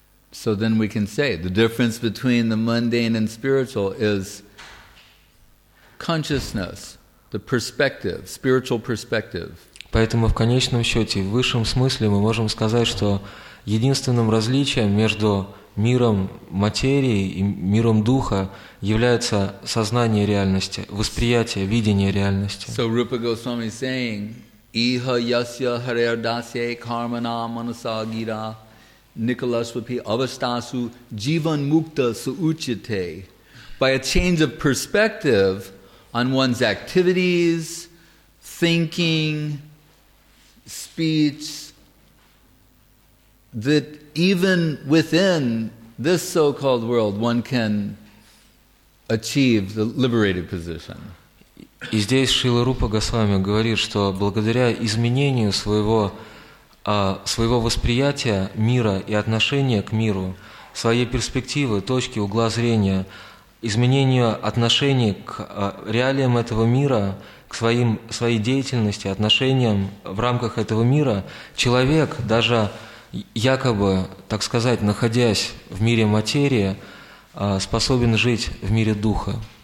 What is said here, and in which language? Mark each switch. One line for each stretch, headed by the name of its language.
English: So then we can say the difference between the mundane and spiritual is consciousness, the perspective, spiritual perspective.
Russian: Поэтому в конечном счете, в высшем смысле, мы можем сказать, что единственным различием между миром материи и миром духа является сознание реальности, восприятие, видение реальности.
English: So Rupa Goswami is saying,
Sanskrit: Iha yasya harer dasye karmana manasa gira. Nikalashvapi avastasu jivan mukta suuchite.
English: By a change of perspective on one's activities, thinking, speech, that even within this so-called world one can achieve the liberated position.
Russian: И здесь Шрила Рупа Госвами говорит, что благодаря изменению своего восприятия мира и отношения к миру, своей перспективы, точки, угла зрения, изменению отношений к реалиям этого мира, к своей деятельности, отношениям в рамках этого мира, человек, даже якобы, так сказать, находясь в мире материи, способен жить в мире духа.